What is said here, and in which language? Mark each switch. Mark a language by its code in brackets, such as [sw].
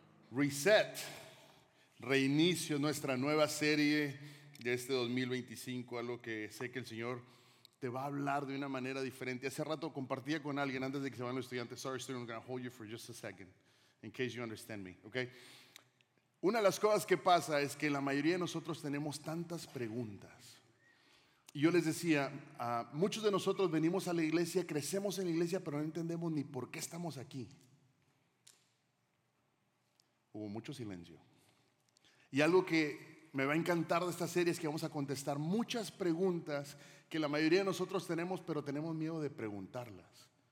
[es] Reset, reinicio nuestra nueva serie de este 2025, algo que sé que el Señor te va a hablar de una manera diferente. Hace rato compartía con alguien antes de que se van los estudiantes. [en] Sorry, student, I'm going to hold you for just a second in case you understand me, okay? [es] Una de las cosas que pasa es que la mayoría de nosotros tenemos tantas preguntas. Y yo les decía, muchos de nosotros venimos a la iglesia, crecemos en la iglesia, pero no entendemos ni por qué estamos aquí. Hubo mucho silencio. Y algo que me va a encantar de esta serie es que vamos a contestar muchas preguntas que la mayoría de nosotros tenemos, pero tenemos miedo de preguntarlas.